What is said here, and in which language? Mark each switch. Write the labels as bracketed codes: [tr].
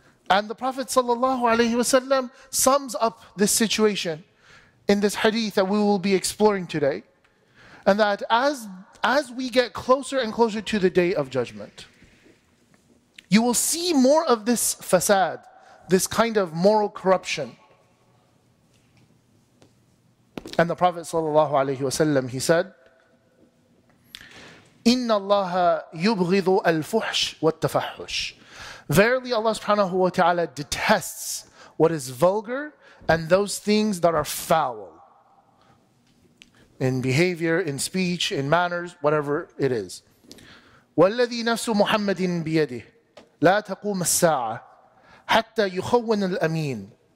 [en] And the Prophet ﷺ sums up this situation in this hadith that we will be exploring today. And that as we get closer and closer to the Day of Judgment, you will see more of this fasad, this kind of moral corruption. And the Prophet ﷺ, he said, [ar] إِنَّ اللَّهَ يُبْغِضُ الْفُحْشِ وَالتَّفَحُّشِ. [en] Verily Allah subhanahu wa ta'ala detests what is vulgar and those things that are foul in behavior, in speech, in manners, whatever it is. [ar] وَالَّذِي نَفْسُ مُحَمَّدٍ بِيَدِهِ لَا تَقُومَ السَّاعَةِ حَتَّى يُخَوَّنَ الْأَمِينَ.